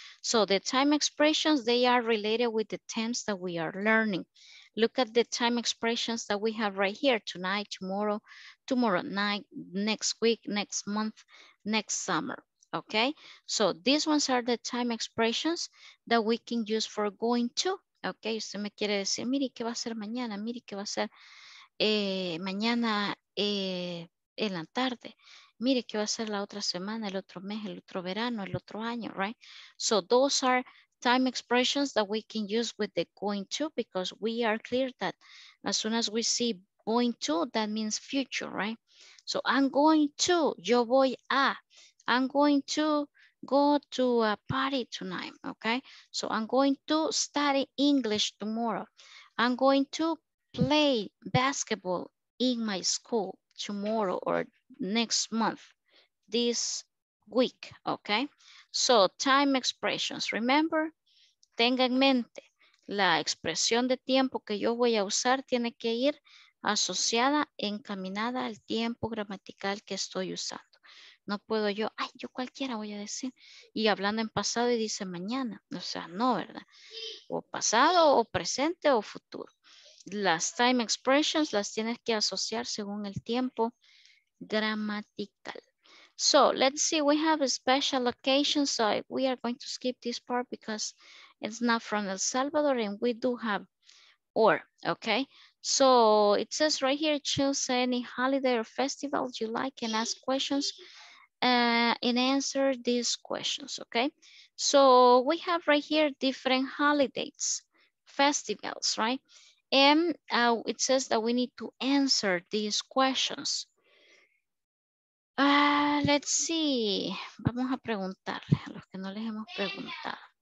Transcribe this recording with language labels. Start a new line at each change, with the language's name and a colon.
English: So the time expressions, they are related with the tenses that we are learning. Look at the time expressions that we have right here. Tonight, tomorrow, tomorrow night, next week, next month, next summer, okay? So these ones are the time expressions that we can use for going to, okay?
Spanish: Usted me quiere decir, mire, ¿qué va a hacer mañana? Mire, ¿qué va a hacer mañana en la tarde? Mire, ¿qué va a ser la otra semana, el otro mes, el otro verano, el otro año, right?
English: So those are time expressions that we can use with the going to, because we are clear that as soon as we see going to, that means future, right? So I'm going to,
Spanish: yo voy a,
English: I'm going to go to a party tonight, okay? So I'm going to study English tomorrow. I'm going to play basketball in my school tomorrow or next month, this week, okay? So, time expressions, remember,
Spanish: tenga en mente, la expresión de tiempo que yo voy a usar tiene que ir asociada, encaminada al tiempo gramatical que estoy usando. No puedo yo, ay, yo cualquiera voy a decir, y hablando en pasado y dice mañana. O sea, no, ¿verdad? O pasado, o presente, o futuro. Las time expressions las tienes que asociar según el tiempo gramatical.
English: So, let's see, we have a special occasion, so we are going to skip this part because it's not from El Salvador and we do have or, okay? So, it says right here, choose any holiday or festival you like and ask questions and answer these questions, okay? So, we have right here different holidays, festivals, right? And it says that we need to answer these questions. Let's see,
Spanish: vamos a preguntarle a los que no les hemos preguntado.